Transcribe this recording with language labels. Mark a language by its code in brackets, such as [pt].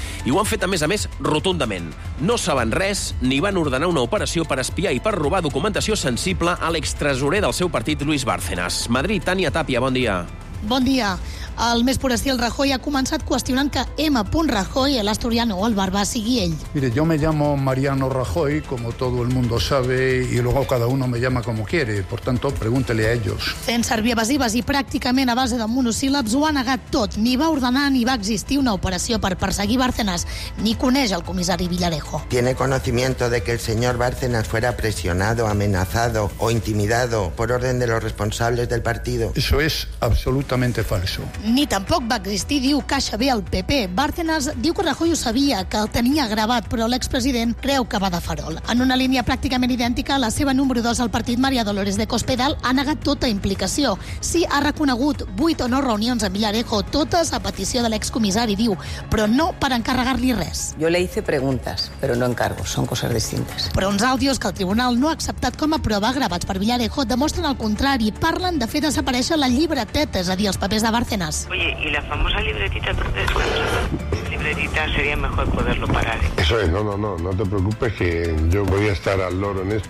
[ca] I ho han fet, a més, rotundament. No saben res ni van ordenar una operació per espiar i per robar documentació sensible a l'extresorer del seu partit, Luis Bárcenas. Madrid, Tània Tàpia, bon dia. Bon dia. El més pur estil Rajoy ha començat qüestionant que M. Rajoy, [es] el asturiano o el barba, [ca] sigui ell. [es] Mire, yo me llamo Mariano Rajoy, como todo el mundo sabe, y luego cada uno me llama como quiere. Por tanto, pregúntele a ellos. [ca] Fent servir evasives i pràcticament a base de monosíl·labs, ho ha negat tot. Ni va ordenar ni va existir una operació per perseguir Bárcenas, ni coneix el comissari Villarejo. [es] ¿Tiene conocimiento de que el señor Bárcenas fuera presionado, amenazado o intimidado por orden de los responsables del partido? Eso es absolutamente falso. [ca] Ni tampoc va existir, diu Caixa B al PP. Bárcenas diu que Rajoy ho sabia, que el tenia gravat, però l'expresident creu que va de farol. En una línia pràcticament idèntica, la seva número 2 al partit, Maria Dolores de Cospedal, ha negat tota implicació. Sí, ha reconegut 8 o 9 reunions amb Villarejo, totes a petició de l'excomissari, diu, però no per encarregar-li res. [es] Yo le hice preguntas, pero no encargos, son cosas distintas. [ca] Però uns àudios que el tribunal no ha acceptat com a prova gravats per Villarejo demostren el contrari, parlen de fer desaparèixer la llibreteta, és a dir, els papers de Bárcenas. [es] Oye, ¿y la famosa libretita dónde descansa? Libretita, sería mejor poderlo parar. ¿Eh? Eso es, no te preocupes que yo voy a estar al loro en esto.